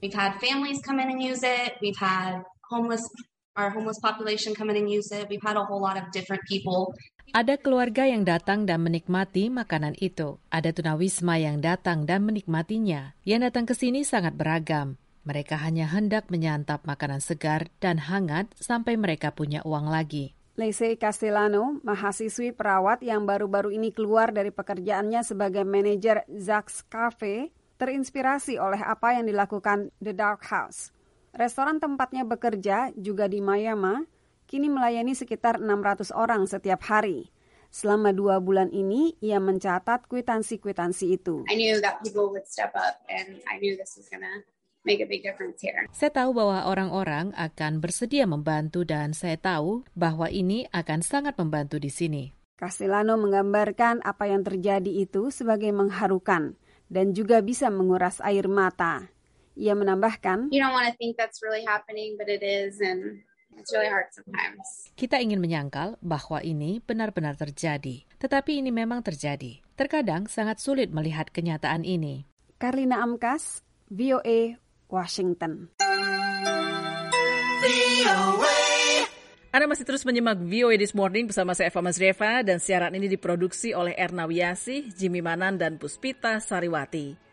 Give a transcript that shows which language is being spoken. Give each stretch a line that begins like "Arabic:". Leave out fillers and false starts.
English: We've had families come in and use it. We've had our homeless population come in and use it. We've had a whole lot of different people.
Indonesian: Ada keluarga yang datang dan menikmati makanan itu. Ada tunawisma yang datang dan menikmatinya. Yang datang ke sini sangat beragam. Mereka hanya hendak menyantap makanan segar dan hangat sampai mereka punya uang lagi. Lacey Castellano, mahasiswi perawat yang baru-baru ini keluar dari pekerjaannya sebagai manajer Zack's Cafe, terinspirasi oleh apa yang dilakukan The Dog House. Restoran tempatnya bekerja, juga di Miami, kini melayani sekitar 600 orang setiap hari. Selama 2 bulan ini, ia mencatat kwitansi-kwitansi itu.
English: I knew that people would step up and I knew this was gonna make a big difference here.
Indonesian: Saya tahu bahwa orang-orang akan bersedia membantu dan saya tahu bahwa ini akan sangat membantu di sini. Castellano menggambarkan apa yang terjadi itu sebagai mengharukan dan juga bisa menguras air mata. Ia menambahkan,
English: "You don't want to think that's really happening, but it is and it's really hard sometimes."
Indonesian: Kita ingin menyangkal bahwa ini benar-benar terjadi, tetapi ini memang terjadi. Terkadang sangat sulit melihat kenyataan ini. Carlina Amkas, VOA, Washington. VOA. Anda masih terus menyimak VOA This Morning bersama saya Eva Masreva, dan siaran ini diproduksi oleh Erna Wiyasih, Jimmy Manan, dan Puspita Sariwati.